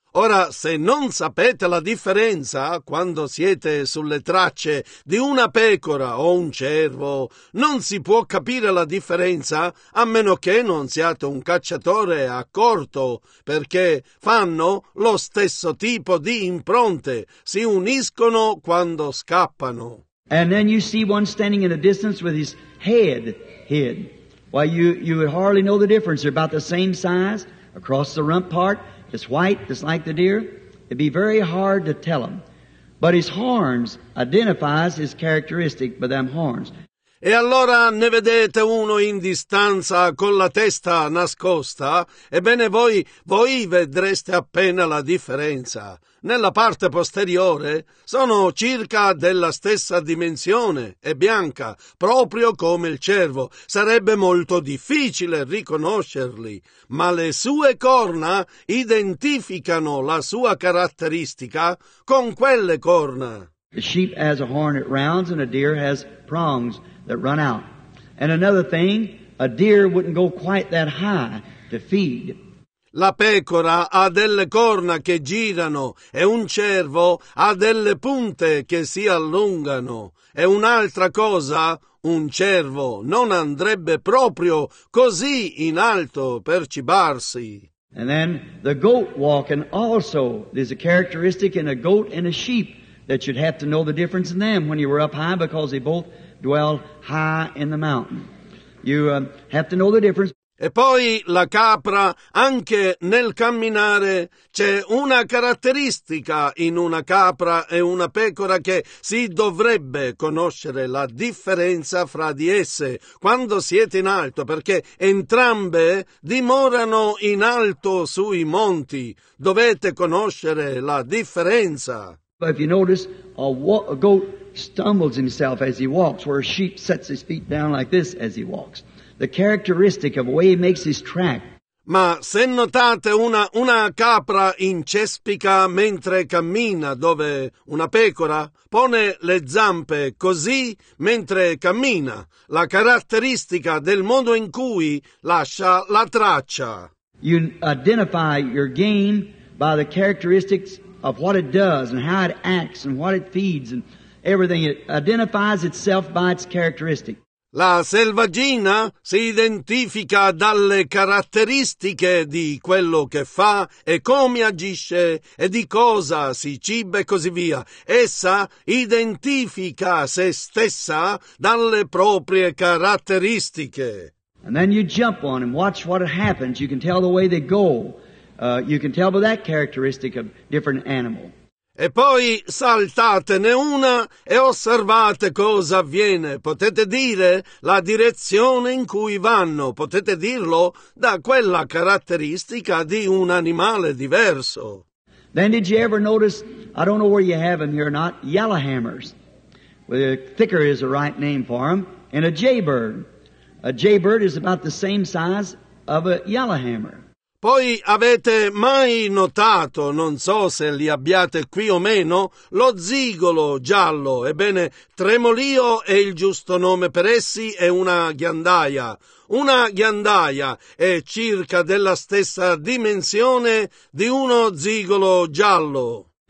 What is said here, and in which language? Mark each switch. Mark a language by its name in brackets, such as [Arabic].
[Italian] Ora, se non sapete la differenza quando siete sulle tracce di una pecora o un cervo, non si può capire la differenza a meno che non siate un cacciatore accorto, perché fanno lo stesso tipo di impronte, si uniscono quando scappano. [English] And then you see one standing in the distance with his head hid. Why, you would hardly know the difference. They're about the same size across the rump part. It's white, it's like the deer. It'd be very hard to tell them. But his horns identifies his characteristic by them horns. [Italian] E allora ne vedete uno in distanza con la testa nascosta? Ebbene voi vedreste appena la differenza. Nella parte posteriore sono circa della stessa dimensione, è bianca, proprio come il cervo. Sarebbe molto difficile riconoscerli, ma le sue corna identificano la sua caratteristica con quelle corna. [English] The sheep has a horn at rounds and a deer has prongs that run out. And another thing, a deer wouldn't go quite that high to feed. [Italian] La pecora ha delle corna che girano e un cervo ha delle punte che si allungano. E un'altra cosa, un cervo non andrebbe proprio così in alto per cibarsi. [English] And then the goat walking also, there's a characteristic in a goat and a sheep that you'd have to know the difference in them when you were up high because they both dwell high in the mountain. You have to know the difference. [Italian] E poi la capra, anche nel camminare, c'è una caratteristica in una capra e una pecora che si dovrebbe conoscere la differenza fra di esse quando siete in alto, perché entrambe dimorano in alto sui monti. Dovete conoscere la differenza. [English] But if you notice, a goat stumbles himself as he walks, where a sheep sets his feet down like this as he walks. The characteristic of the way he makes his track. [Italian] Ma se notate una capra incespica mentre cammina, dove una pecora pone le zampe così mentre cammina, la caratteristica del modo in cui lascia la traccia. [English] You identify your game by the characteristics of what it does and how it acts and what it feeds and everything. It identifies itself by its characteristic. [Italian] La selvaggina si identifica dalle caratteristiche di quello che fa e come agisce e di cosa si ciba e così via. Essa identifica se stessa dalle proprie caratteristiche. [English] And then you jump on and watch what happens. You can tell the way they go. You can tell by that characteristic of different animal. [Italian] E poi saltatene una e osservate cosa avviene. Potete dire la direzione in cui vanno. Potete dirlo da quella caratteristica di un animale diverso. [English] Then did you ever notice, I don't know where you have them here or not, yellowhammers. Well, thicker is the right name for them. And a jaybird. A jaybird is about the same size of a yellowhammer. [Italian] Poi avete mai notato, non so se li abbiate qui o meno, lo zigolo giallo. Ebbene, tremolio è il giusto nome per essi, è una ghiandaia. Una ghiandaia è circa della stessa dimensione di uno zigolo giallo.